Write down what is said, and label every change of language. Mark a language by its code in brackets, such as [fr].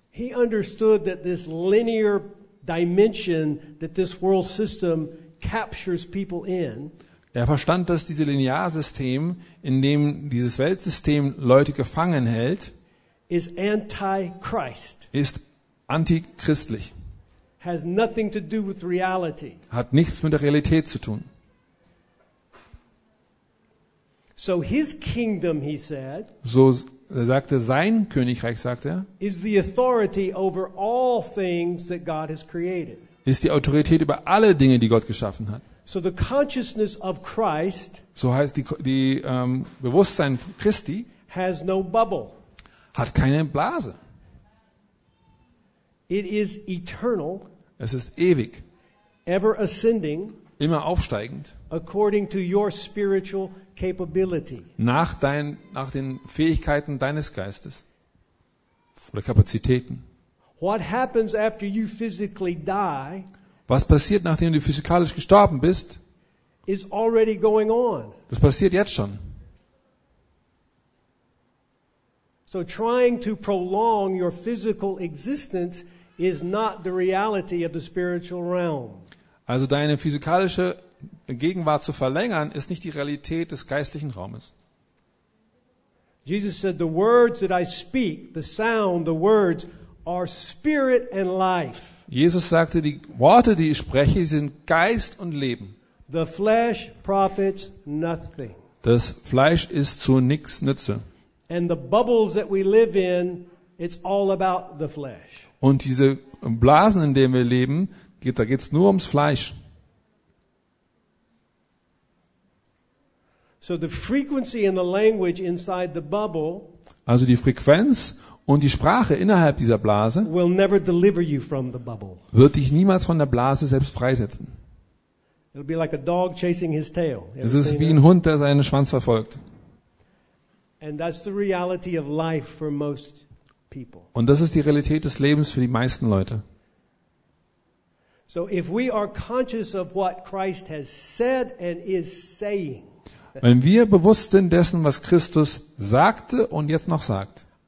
[en] He understood that this linear dimension that this world system captures people in. [de] Er verstand, dass dieses Linearsystem, in dem dieses Weltsystem Leute gefangen hält, [en] is anti-Christ. [de] Ist antichristlich. [en] Has nothing to do with reality. [de] Hat nichts mit der Realität zu tun. [en] So his kingdom, he said, [de] so sagte sein Königreich, sagte er, [en] is the authority over all things that God has created. [de] Ist die Autorität über alle Dinge, die Gott geschaffen hat. [en] So the consciousness of Christ, [de] so heißt die Bewusstsein Christi, [en] has no bubble. [de] Hat keine Blase. [en] It is eternal. [de] Es ist ewig. [en] Ever ascending. [de] Immer aufsteigend. [en] According to your spiritual capability. [de] Nach den Fähigkeiten deines Geistes oder Kapazitäten. [en] What happens after you physically die? [de] Was passiert, nachdem du physikalisch gestorben bist? [en] Is already going on. [de] Das passiert jetzt schon. [en] So trying to prolong your physical existence is not the reality of the spiritual realm. [de] Also deine physikalische Gegenwart zu verlängern ist nicht die Realität des geistlichen Raumes. [en] Jesus said, "The words that I speak, the sound, the words are spirit and life." [de] Jesus sagte, die Worte, die ich spreche, sind Geist und Leben. [en] The flesh profits nothing. [de] Das Fleisch ist zu nichts Nütze. [en] And the bubbles that we live in, it's all about the flesh. [de] Und diese Blasen, in denen wir leben, da geht's nur ums Fleisch. [en] So the frequency and the language inside the bubble, [de] also die Frequenz und die Sprache innerhalb dieser Blase, [en] will never deliver you from the bubble. [de] Wird dich niemals von der Blase selbst freisetzen. [en] It'll be like a dog chasing his tail. [de] Es ist wie ein Hund, der seinen Schwanz verfolgt. [en] And that's the reality of life for most people. [de] Und das ist die Realität des Lebens für die meisten Leute. [en] So if we are conscious of what Christ has said and is saying. [de] Wenn wir bewusst sind dessen, was Christus sagte und jetzt noch sagt.